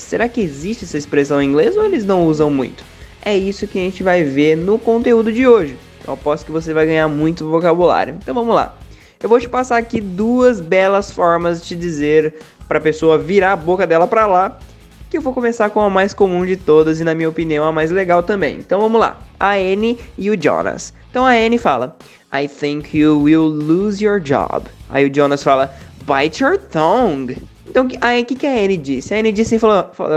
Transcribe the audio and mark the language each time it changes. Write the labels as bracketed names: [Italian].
[Portuguese] Será que existe essa expressão em inglês ou eles não usam muito? É isso que a gente vai ver no conteúdo de hoje. Eu aposto que você vai ganhar muito vocabulário. Então vamos lá. Eu vou te passar aqui duas belas formas de te dizer para a pessoa virar a boca dela para lá, que eu vou começar com a mais comum de todas e, na minha opinião, a mais legal também. Então vamos lá. A Annie e o Jonas. Então a Annie fala, [English] I think you will lose your job. [Portuguese] Aí o Jonas fala, [English] bite your tongue. [Portuguese] Então aí, que a Annie disse? A Annie disse e falou...